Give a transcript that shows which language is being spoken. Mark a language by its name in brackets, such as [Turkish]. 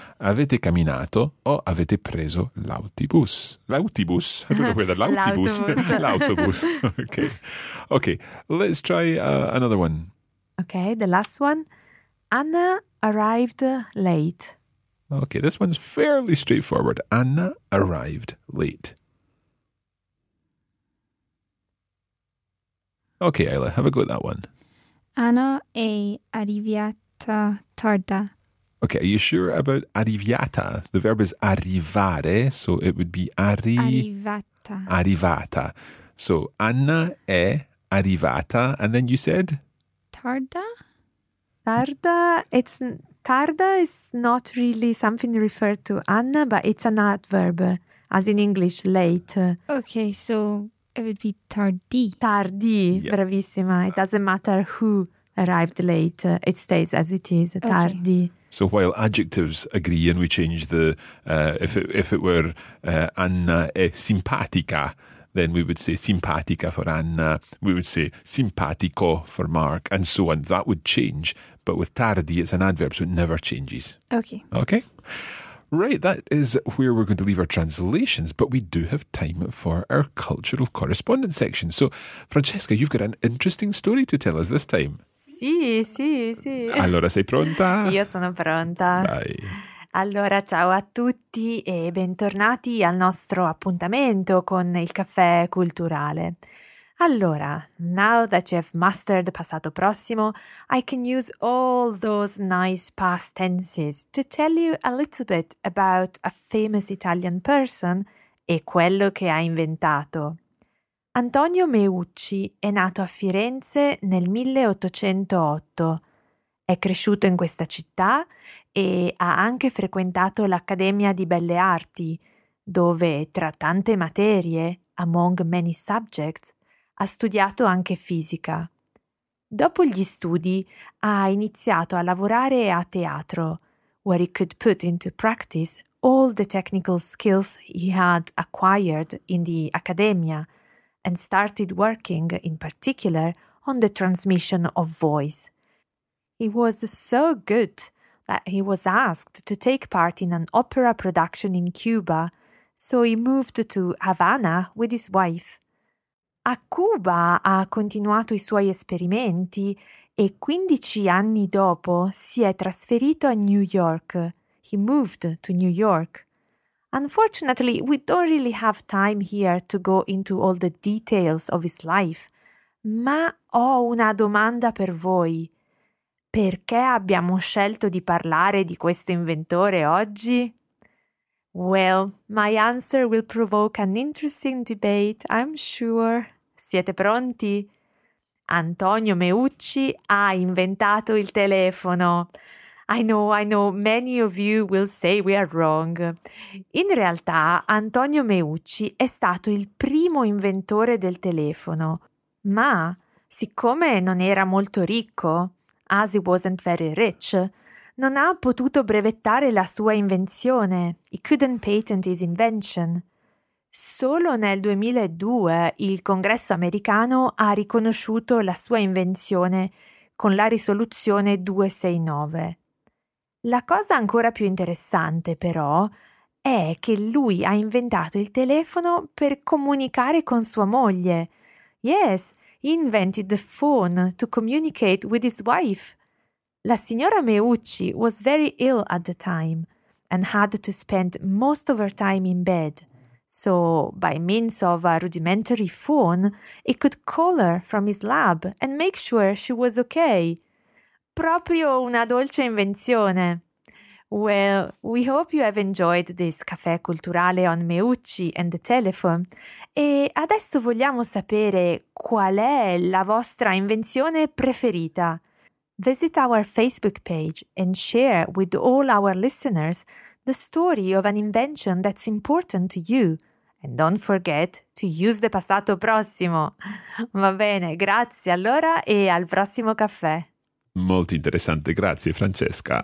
[Italian] Avete camminato o avete preso l'autobus? L'autobus. [English] I don't know where the l'autobus. L'autobus. Okay. Okay. Let's try another one. Okay, the last one. Anna arrived late. Okay, this one's fairly straightforward. Anna arrived late. Okay, Ayla, have a go at that one. [Italian] Anna è arrivata tarda. [English] Okay, are you sure about arrivata? The verb is arrivare, so it would be [Italian] arrivata. Arrivata. [English] So Anna [Italian] è arrivata, [English] and then you said? [Italian] Tarda? [English] Tarda, it's... Tarda is not really something referred to Anna, but it's an adverb, as in English, late. Okay, so it would be tardi. [Italian] Tardi, yep. Bravissima. [English] It doesn't matter who arrived late. It stays as it is, tardi. Okay. So while adjectives agree and we change the, if it were [Italian] Anna è simpatica, [English] then we would say simpatica for Anna, we would say simpatico for Mark, and so on. That would change, but with tardi, it's an adverb, so it never changes. Okay. Okay. Right, that is where we're going to leave our translations, but we do have time for our cultural correspondence section. So, Francesca, you've got an interesting story to tell us this time. [Italian] Sì, sì, sì. Allora, sei pronta? Io sono pronta. Vai. Allora, ciao a tutti e bentornati al nostro appuntamento con il caffè culturale. [English] Allora, now that you have mastered the passato prossimo, I can use all those nice past tenses to tell you a little bit about a famous Italian person [Italian] e quello che ha inventato. Antonio Meucci è nato a Firenze nel 1808. È cresciuto in questa città e ha anche frequentato l'Accademia di Belle Arti, dove tra tante materie, [English] among many subjects, [Italian] ha studiato anche fisica. Dopo gli studi ha iniziato a lavorare a teatro, [English] where he could put into practice all the technical skills he had acquired in the Accademia, and started working in particular on the transmission of voice. He was so good that he was asked to take part in an opera production in Cuba, so he moved to Havana with his wife. [Italian] A Cuba ha continuato i suoi esperimenti e 15 anni dopo si è trasferito a New York. [English] He moved to New York. Unfortunately, we don't really have time here to go into all the details of his life, [Italian] ma ho una domanda per voi. Perché abbiamo scelto di parlare di questo inventore oggi? [English] Well, my answer will provoke an interesting debate, I'm sure. [Italian] Siete pronti? Antonio Meucci ha inventato il telefono. [English] I know, many of you will say we are wrong. [Italian] In realtà, Antonio Meucci è stato il primo inventore del telefono. Ma, siccome non era molto ricco... [English] as he wasn't very rich, [Italian] non ha potuto brevettare la sua invenzione. [English] He couldn't patent his invention. [Italian] Solo nel 2002 il Congresso americano ha riconosciuto la sua invenzione con la risoluzione 269. La cosa ancora più interessante, però, è che lui ha inventato il telefono per comunicare con sua moglie. [English] Yes, he invented the phone to communicate with his wife. [Italian] La signora [English] Meucci was very ill at the time and had to spend most of her time in bed. So, by means of a rudimentary phone, he could call her from his lab and make sure she was okay. [Italian] Proprio una dolce invenzione. [English] Well, we hope you have enjoyed this caffè culturale on Meucci and the telephone. [Italian] E adesso vogliamo sapere qual è la vostra invenzione preferita. [English] Visit our Facebook page and share with all our listeners the story of an invention that's important to you. And don't forget to use the passato prossimo. [Italian] Va bene, grazie allora e al prossimo caffè. Molto interessante, grazie Francesca.